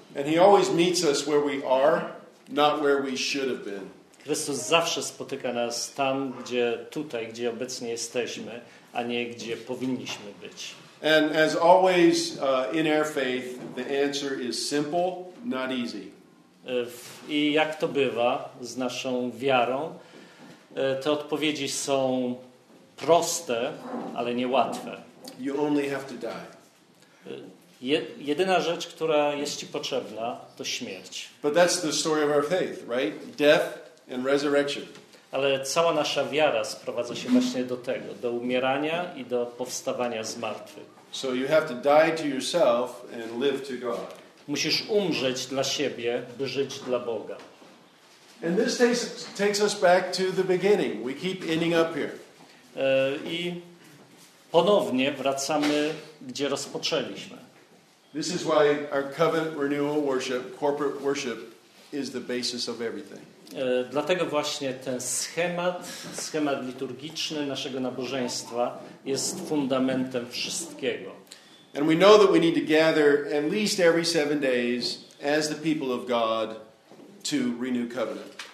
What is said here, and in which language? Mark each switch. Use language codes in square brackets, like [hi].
[en] And he always meets us where we are, not where we should have been. [pl] Chrystus zawsze spotyka nas tam, gdzie tutaj, gdzie obecnie jesteśmy, a nie gdzie powinniśmy być. [en] And as always in our faith, the answer is simple, not easy. [pl] I jak to bywa z naszą wiarą, te odpowiedzi są proste, ale niełatwe. [en] You only have to die. [pl] Jedyna rzecz, która jest ci potrzebna, to śmierć. [en] But that's the story of our faith, right? Death and resurrection. [pl] Ale cała nasza wiara sprowadza się właśnie do tego, do umierania i do powstawania z martwych. [en] So you have to die to yourself and live to God. [pl] Musisz umrzeć dla siebie, by żyć dla Boga. [en] And this takes us back to the beginning. We keep ending up here. [pl] I ponownie wracamy, gdzie rozpoczęliśmy. [en] This is why our covenant renewal worship, corporate worship, is the basis of everything. [pl] Dlatego właśnie ten schemat liturgiczny naszego nabożeństwa jest fundamentem wszystkiego. [en] And we know that we need to gather at least every 7 days as the people of God to renew covenant.